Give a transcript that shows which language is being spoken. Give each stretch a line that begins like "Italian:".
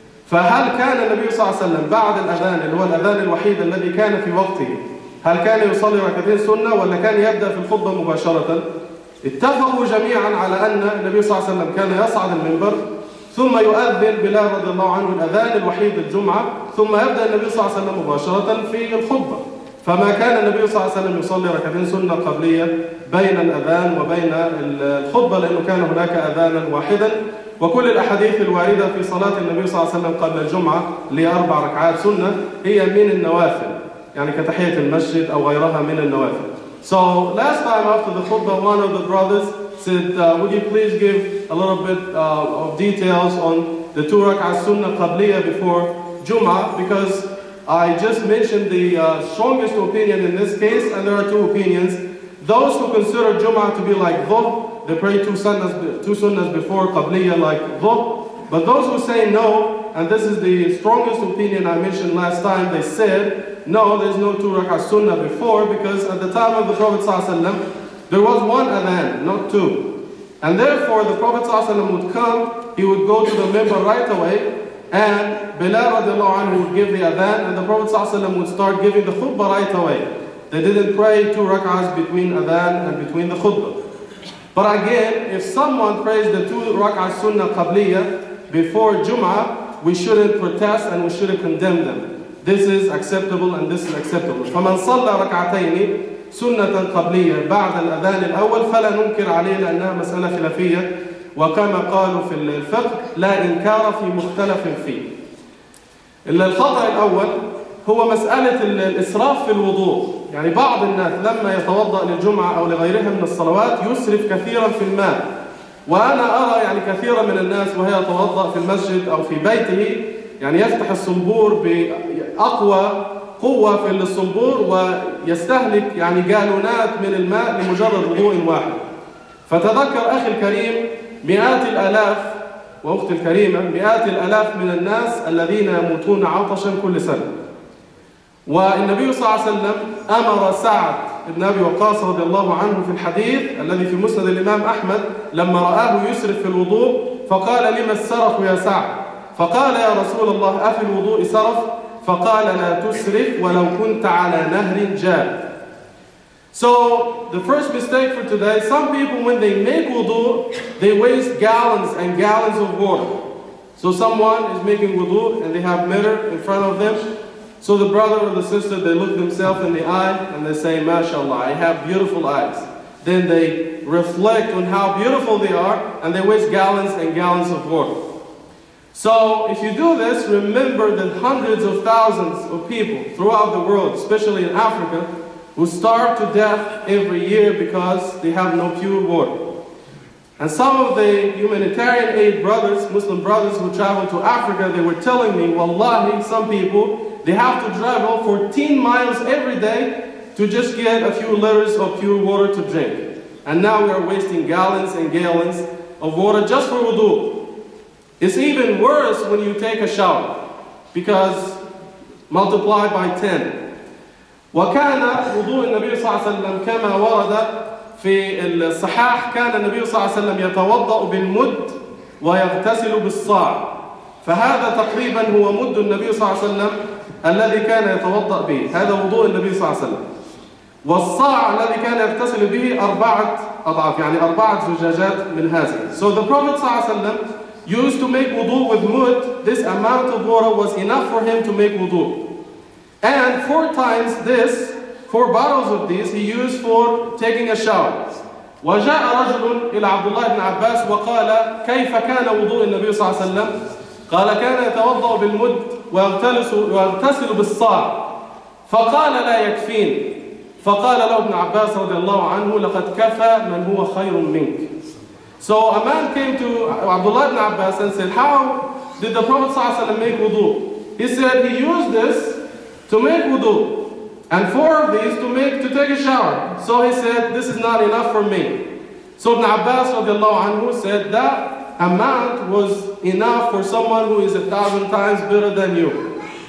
Arabic: فهل كان النبي صلى الله عليه وسلم بعد الأذان اللي هو الأذان الوحيد الذي كان في وقته, هل كان يصلي ركعتين سنة ولا كان يبدأ في الخطبة مباشرة؟ اتفقوا جميعا على أن النبي صلى الله عليه وسلم كان يصعد المنبر ثم يؤذن بلال رضي الله عنه الأذان الوحيد الجمعة, ثم يبدأ النبي صلى الله عليه وسلم مباشرة في الخطبة, فما كان النبي صلى الله عليه وسلم يصلي ركعتين سنة قبلية بين الأذان وبين الخطبة, لأنه كان هناك أذانا واحدا. وكل الأحاديث الواردة في صلاة النبي صلى الله عليه وسلم قبل الجمعة لأربع ركعات سنة هي من النوافل, يعني كتحية المسجد أو غيرها من النوافل.
English: So last time after the khutbah, one of the brothers said, would you please give a little bit of details on the two rak'ah sunnah qabliyah before Jum'ah, because I just mentioned the strongest opinion in this case, and there are two opinions. Those who consider Jum'ah to be like dhuhr, they pray two sunnahs before qabliyah like dhuhr. But those who say no, and this is the strongest opinion I mentioned last time, they said, no, there's no two rak'ah sunnah before, because at the time of the Prophet ﷺ, there was one adhan, not two. And therefore, the Prophet ﷺ would come, he would go to the minbar right away, and Bilal radiallahu anhu would give the adhan, and the Prophet ﷺ would start giving the khutbah right away. They didn't pray two rak'ahs between adhan and between the khutbah. But again, if someone prays the two rak'ah sunnah qabliyah before Jum'ah, we shouldn't protest and we shouldn't condemn them. This is acceptable and this is acceptable.
Arabic: فَمَنْ صَلَّى رَكْعَتَيْنِ سنة قبلية بعد الأذان الأول فلا ننكر عليه لأنها مسألة خلافية، وكما قالوا في الفقه لا إنكار في مختلف فيه. الخطأ الأول هو مسألة الإسراف في الوضوء، يعني بعض الناس لما يتوضأ للجمعة أو لغيرها من الصلوات يسرف كثيرا في الماء، وأنا أرى يعني كثيرا من الناس وهي توضأ في المسجد أو في بيته يعني يفتح الصنبور بأقوى قوة في الصنبور ويستهلك يعني جالونات من الماء لمجرد وضوء واحد. فتذكر أخي الكريم مئات الآلاف وأختي الكريمة مئات الآلاف من الناس الذين يموتون عطشا كل سنة، والنبي صلى الله عليه وسلم أمر سعد بن أبي وقاص رضي الله عنه في الحديث الذي في مسند الإمام أحمد لما رآه يسرف في الوضوء فقال لما السرف يا سعد؟ فقال يا رسول الله أفي الوضوء سرف؟ فقال لا تسرف ولو كنت على نهر جاف.
English: So the first mistake for today, some people when they make wudu, they waste gallons and gallons of water. So someone is making wudu and they have mirror in front of them. So the brother or the sister, they look themselves in the eye and they say, MashaAllah, I have beautiful eyes. Then they reflect on how beautiful they are and they waste gallons and gallons of water. So if you do this, remember that hundreds of thousands of people throughout the world, especially in Africa, who starve to death every year because they have no pure water. And some of the humanitarian aid brothers, Muslim brothers who travel to Africa, they were telling me, wallahi, some people, they have to travel 14 miles every day to just get a few liters of pure water to drink. And now we are wasting gallons and gallons of water just for wudu. It's even worse when you take a shower, because multiply by 10.
Arabic: وكان وضوء النبي صلى الله عليه وسلم كما ورد في الصحاح كان النبي صلى الله عليه وسلم يتوضأ بالمد ويغتسل بالصاع، فهذا تقريبا هو مد النبي صلى الله عليه وسلم الذي كان يتوضأ به، هذا وضوء النبي صلى الله عليه وسلم، والصاع الذي كان يغتسل به أربعة أضعاف يعني أربعة زجاجات من هذا.
English: So the Prophet صلى الله عليه وسلم used to make wudu with mud. This amount of water was enough for him to make wudu. And four times this, four bottles of these, he used for taking a shower.
Arabic: وجاء رجل إلى عبد الله بن عباس وقال كيف كان وضوء النبي صلى الله عليه وسلم؟ قال كان يتوضأ بالمد ويغتسل بالصاع. فقال لا يكفين. فقال له ابن عباس رضي الله عنه لقد كفى من هو خير منك.
English: So a man came to Abdullah ibn Abbas and said, how did the Prophet ﷺ make wudu? He said he used this to make wudu and four of these to take a shower. So he said, this is not enough for me. So Ibn Abbas radiallahu anhu said that amount was enough for someone who is 1,000 times better than you.